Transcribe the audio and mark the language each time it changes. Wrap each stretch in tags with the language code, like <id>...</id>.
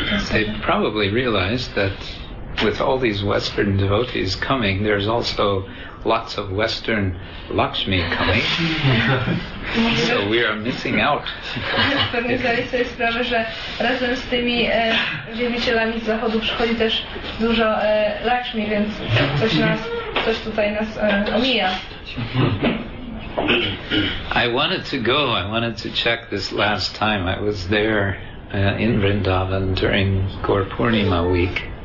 <en>They probably realized that with all these Western devotees coming, there's also lots of Western Lakshmi coming. So we are missing out.</en> <pl>Pewnie zdali sobie sprawę, że razem z tymi wielbicielami z zachodu przychodzi też dużo Lakshmi, więc coś tutaj nas omija.</pl> <en>I wanted to go. I wanted to check this last time. I was there in Vrindavan during Gaur Purnima week.</en>